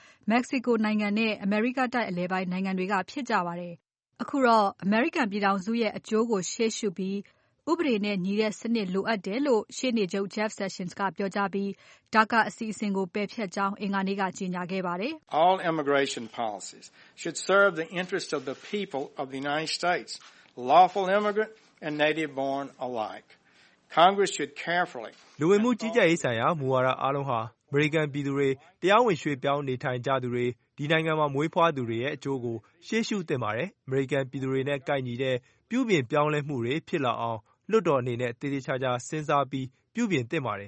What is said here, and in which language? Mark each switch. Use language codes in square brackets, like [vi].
[my] မက္ကဆီကိုနိုင်ငံနဲ့အမေရိကတိုက်အလဲပိုင်းနိုင်ငံတွေကဖြစ်ကြပါတယ်။အခုတော့အမေရိကန်ပြည်ထောင်စုရဲ့အကျိုးကိုရှေ့ရှုပြီးဥပဒေနဲ့ညီတဲ့စနစ်လိုအပ်တယ်လို့ရှေ့နေချုပ် Jeff Sessions ကပြောကြားပြီးဒါကာအစီအစဉ်ကိုပယ်ဖျက်ကြောင်းအင်္ဂါနေ့ကကြေညာခဲ့ပါတယ်။ [en] All immigration policies should serve the interest of the people of the United States, lawful immigrant and native born alike. Congress should carefully [my] လူဝင်မှုကြီးကြပ်ရေးဆိုင်ရာမူဝါဒအားလုံးဟာအမေရိကန်ပြည်သူတွေတရားဝင်ရွှေ့ပြောင်းနေထိုင်ကြသူတွေဒီနိုင်ငံမှာမွေးဖွားသူတွေရဲ့အကျိုးကိုရှေ့ရှုတင်ပါတယ်အမေရိကန်ပြည်သူတွေနဲ့ကိုက်ညီတဲ့ပြုပြင်ပြောင်းလဲမှုတွေဖြစ်လာအောင်လွတ်တော်အနေနဲ့တည်တည်ချာချာစဉ်းစားပြီးပြုပြင်တင်ပါတယ